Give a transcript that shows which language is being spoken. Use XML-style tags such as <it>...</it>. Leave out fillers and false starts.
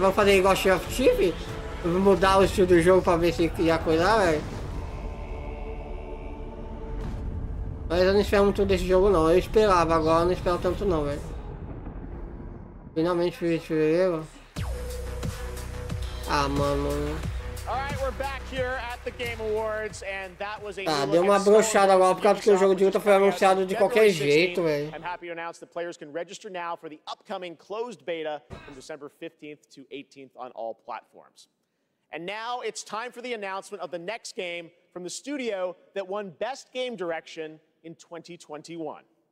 <pt>Vamos fazer igual Chief of Chief? Vou mudar o estilo do jogo pra ver se ia coisar, velho. Mas eu não espero muito desse jogo, não. Eu esperava, agora eu não espero tanto, não, velho. Finalmente fui de fevereiro. Ah, mano.</pt> <en>All right, we're back here at the Game Awards, and that was a</en> <pt>ah, deu uma brochada agora por causa que o jogo de luta foi anunciado de qualquer jeito, velho.</pt> <en>I'm happy to announce that players can register now for the upcoming closed beta from December 15th to 18th on all platforms. And now it's time for the announcement of the next game from the studio that won Best Game Direction in 2021.</en>